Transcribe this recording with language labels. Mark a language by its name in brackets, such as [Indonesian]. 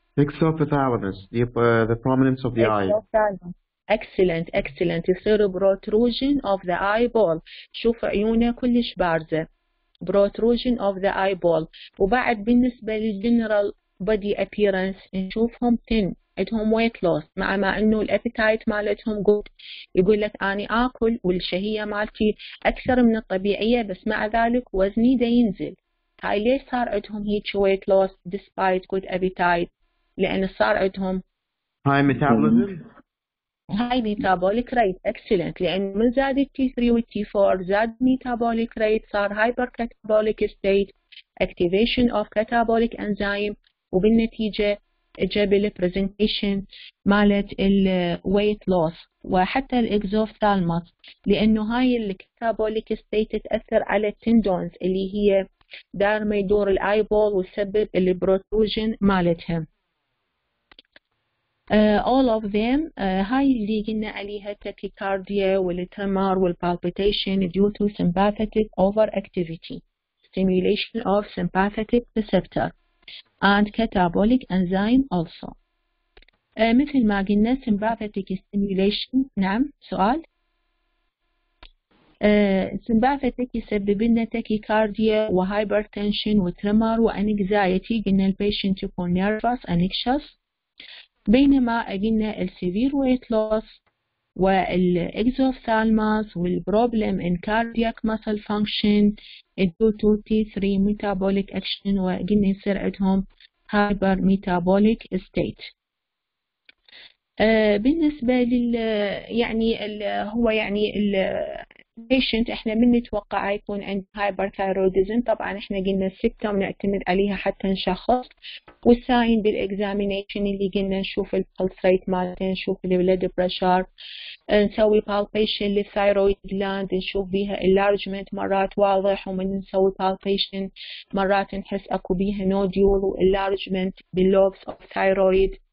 [English] Exophthalmos the prominence of the eye. Excellent excellent, يصير protrusion of the eyeball, [Arabic] شوف عيونه كلش بارزه، [English] Protrusion of the eyeball. [Arabic] وبعد بالنسبه للجنرال بودي ابييرنس نشوفهم تن، عندهم ويت لوس مع ما انه الابيتايت مالتهم جود، يقول لك اني اكل والشهيه مالتي اكثر من الطبيعيه بس مع ذلك وزني دا ينزل. هاي ليش صار عندهم هيك ويت لوس ديسبايت جود ابيتايت؟ لان صار عندهم [English] High metabolism, high metabolic rate. [Arabic] اكسلنت، لان من زاد التي 3 والتي 4 زاد ميتابوليك ريت، صار هايبر كاتابوليك ستيت، اكتيفيشن اوف كاتابوليك انزايم، وبالنتيجه جاب البرزنتيشن مالت الويت لوس وحتى الاكزوثالمس، لانه هاي الكتابوليك ستيت تاثر على التندونز اللي هي دار ما يدور الاي بول وسبب البروتروجن مالتهم. [English] all of them [Arabic] هاي اللي قلنا عليها تاكيكارديا والتمار والبالبيتيشن [English] due to sympathetic overactivity stimulation of sympathetic receptor and catabolic enzyme also. [Arabic] مثل ما قلنا sympathetic stimulation، نعم سؤال. sympathetic يسبب لنا tachycardia و hypertension و tremor و anxiety، قلنا ال patient يكون nervous anxious. بينما قلنا ال severe weight loss و ال exophthalmos و ال problem in cardiac muscle function due to T3 metabolic action، وقلنا يصير عندهم هايبر ميتابوليك ستيت. بالنسبة لل يعني الـ هو يعني ال patient احنا من نتوقع يكون عند هايبر ثايرويدزم، طبعا احنا قلنا ستة ونعتمد عليها حتى نشخص، والساين بالاكزامينيشن اللي قلنا نشوف البلس ريت مالته، نشوف البلد بريشر، نسوي بالبيشن للثايرويد جلاند نشوف بيها اللارجمنت مرات واضح، ومن نسوي بالبيشن مرات نحس اكو بيها نوديول واللارجمنت باللوبس اوف ثايرويد،